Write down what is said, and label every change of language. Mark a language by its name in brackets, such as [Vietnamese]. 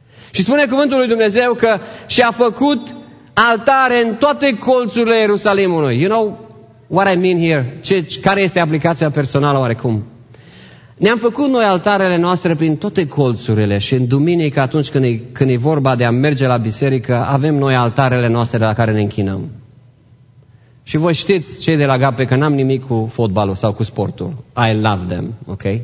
[Romanian] Și spune cuvântul lui Dumnezeu că și-a făcut altare în toate colțurile Ierusalimului. [English] You know what I mean here? [Romanian] Care este aplicația personală oarecum? Ne-am făcut noi altarele noastre prin toate colțurile și în duminică, atunci când e vorba de a merge la biserică, avem noi altarele noastre la care ne închinăm. Și voi știți, cei de la Gape, că n-am nimic cu fotbalul sau cu sportul. [English] I love them, ok?